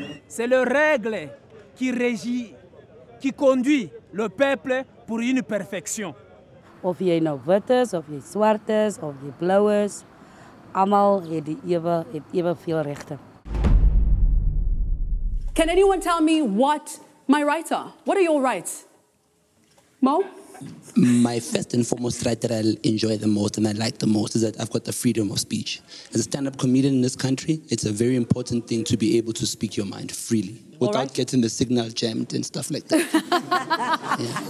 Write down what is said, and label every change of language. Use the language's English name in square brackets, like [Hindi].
[French] c'est le règle qui régit qui conduit le peuple pour une perfection [Afrikaans] of jy nou witters of jy swartes of jy bloues almal het die ewe het eweveel regte. [English] Can anyone tell me what my rights are? What are your rights, Mo? My first and foremost right that I enjoy the most and I like the most is that I've got the freedom of speech. As a stand-up comedian in this country, it's a very important thing to be able to speak your mind freely without getting the signal jammed and stuff like that.